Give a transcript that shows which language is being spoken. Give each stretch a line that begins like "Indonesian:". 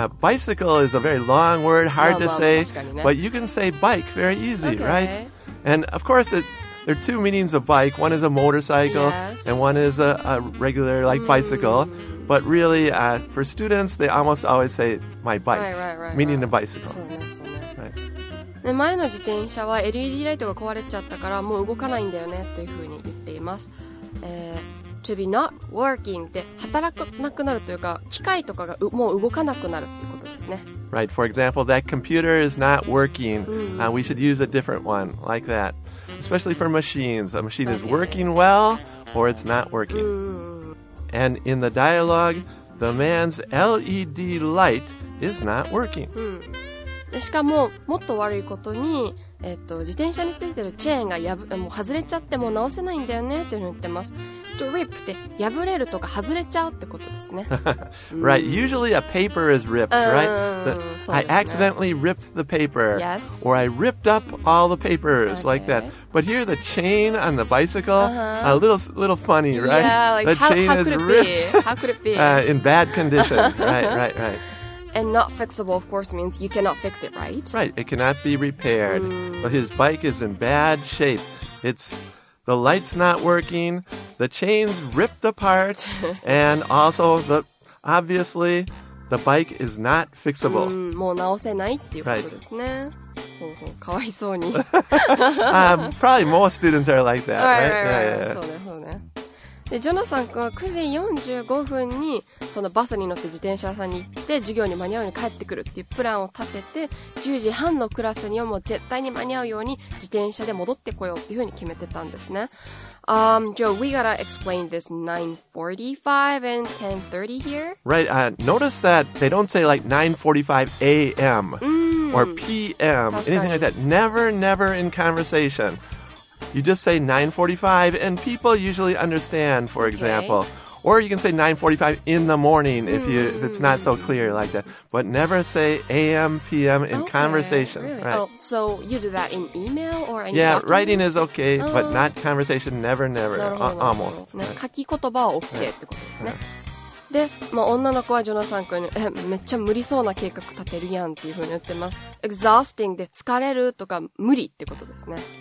English: Bicycle is a very long word, hard to say.
Japanese: 確かにね。
English: But you can say bike very easy, okay. right? And of course, there are two meanings of bike. One is a motorcycle, yes. and one is a regular, like, bicycle. But really, for students, they almost always say, my bike, right. meaning the bicycle.
Japanese: そうね、そうね。前の自転車は LED ライトが壊れちゃったから、もう動かないんだよね、というふうに言っています。
English: To be not working
Japanese: って、働かなくなるというか、機械とかがもう動かなくなるっていうことですね。
English: Right, for example, that computer is not working. We should use a different one, like that. Especially for machines. A machine is working well, or it's not working. And in the dialogue, the man's LED light is not working.
Japanese: しかも、もっと悪いことに、自転車についてるチェーンがもう外れちゃってもう直せないんだよねって言ってます。 Rip って破れるとか外れちゃうってことですね。
English: Right, usually a paper is ripped, right? I accidentally ripped the paper. Yes. Or I ripped up all the papers, like that. But here the chain on the bicycle, a little funny, right? Yeah, like the chain is ripped. How could it be? In bad condition, right. And not fixable, of course, means you cannot fix it, right? Right, it cannot be repaired. But his bike is in bad shape. It's... The light's not working, the chain's ripped apart, and also, obviously, the bike is not fixable.
Japanese: もう直せないっていうことですね。
English: Right.
Japanese: ほうほう、かわいそうに。
English: probably more students are like that, right?
Japanese: そうね。で、ジョナサン君は9時45分に、そのバスに乗って自転車さんに行って、授業に間に合うように帰ってくるっていうプランを立てて、10時半のクラスにはもう絶対に間に合うように自転車で戻ってこようっていうふうに決めてたんですね。
English: Joe, we gotta explain this 9:45 and 10:30 here. Right, notice that they don't say like 9:45 a.m. or p.m. Anything like that. Never in conversation. You just say 9:45 and people usually understand, for example. Okay. Or you can say 9:45 in the morning if you if it's not so clear like that. But never say a.m., p.m. in conversation. Really? Right. Oh, so you do that in email or in Yeah, writing is okay, but not conversation. Never, never. Almost. Right.
Japanese: 書き言葉を送ってってことですね。で、まあ女の子はジョナサン君にめっちゃ無理そうな計画立てるやんっていうふうに言ってます。Exhausting で疲れるとか無理ってことですね。